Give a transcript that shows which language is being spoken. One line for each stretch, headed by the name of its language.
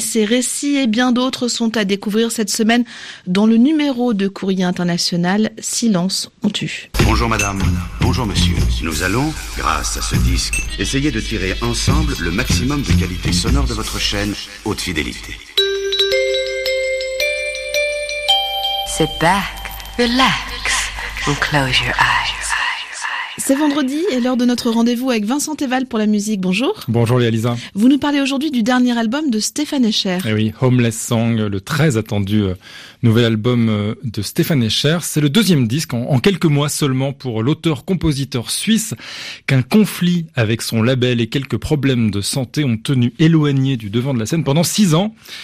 French: Ces récits et bien d'autres sont à découvrir cette semaine dans le numéro de Courrier International, Silence, on tue. Bonjour madame, bonjour monsieur. Nous allons, grâce à ce disque, essayer de tirer ensemble le maximum de qualité sonore de votre chaîne Haute Fidélité.
English: Sit back, relax, and close your eyes.
French: C'est vendredi et l'heure de notre rendez-vous avec Vincent Teval pour la musique. Bonjour. Bonjour Léa-Lisa. Vous nous parlez aujourd'hui du dernier album de Stefan Escher. Eh oui, Homeless Song, le très attendu nouvel album de Stefan Escher. C'est le deuxième disque en quelques mois seulement pour l'auteur-compositeur suisse qu'un conflit avec son label et quelques problèmes de santé ont tenu éloigné du devant de la scène pendant 6 ans.